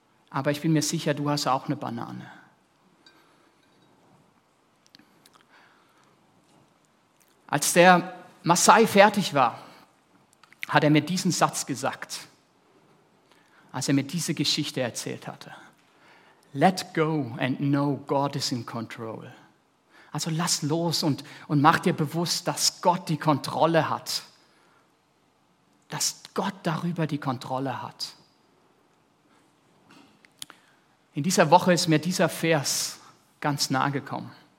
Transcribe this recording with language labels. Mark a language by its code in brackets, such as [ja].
[de] Aber ich bin mir sicher, du hast auch eine Banane. Als der Masai fertig war, hat er mir diesen Satz gesagt, als er mir diese Geschichte erzählt hatte. [en] Let go and know God is in control. [de] Also lass los und mach dir bewusst, dass Gott die Kontrolle hat. Dass Gott darüber die Kontrolle hat. In dieser Woche ist mir dieser Vers ganz nahe gekommen.